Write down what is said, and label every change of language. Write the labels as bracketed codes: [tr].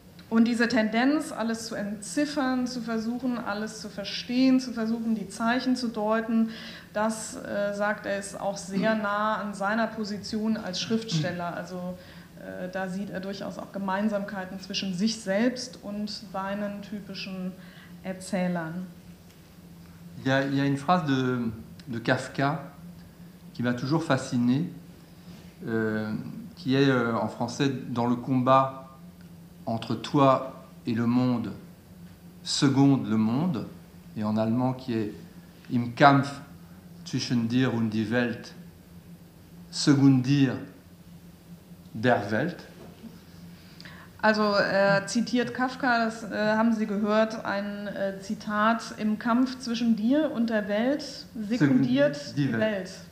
[de] Und diese Tendenz, alles zu entziffern, zu versuchen, alles zu verstehen, zu versuchen, die Zeichen zu deuten, das, sagt er, ist auch sehr nah an seiner Position als Schriftsteller. Also da sieht er durchaus auch Gemeinsamkeiten zwischen sich selbst und seinen typischen Erzählern. Ja, ja, [fr] une phrase de... de Kafka, qui m'a toujours fasciné, qui est en français « Dans le combat entre toi et le monde, seconde le monde », et en allemand qui est « [de] Im Kampf zwischen dir und die Welt, seconde dir der Welt ». Also zitiert Kafka, das haben Sie gehört, ein Zitat, im Kampf zwischen dir und der Welt sekundiert die Welt.